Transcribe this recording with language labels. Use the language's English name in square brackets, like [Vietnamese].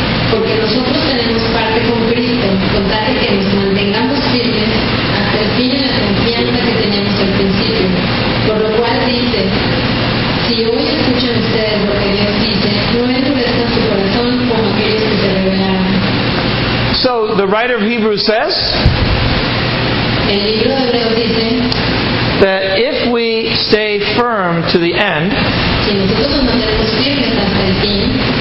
[Spanish] Porque nosotros tenemos parte con Cristo, con tal de que nos mantengamos firmes hasta el fin en la confianza que tenemos al principio. Por lo cual dice, si hoy escuchan ustedes lo que Dios dice, no endurezcan su corazón como aquellos que se rebelaron. [English] So, the writer of Hebrews says, [Spanish] el libro de Hebreos dice, [English] that if we stay firm to the end, [Spanish] si nosotros nos mantenemos firmes hasta el fin,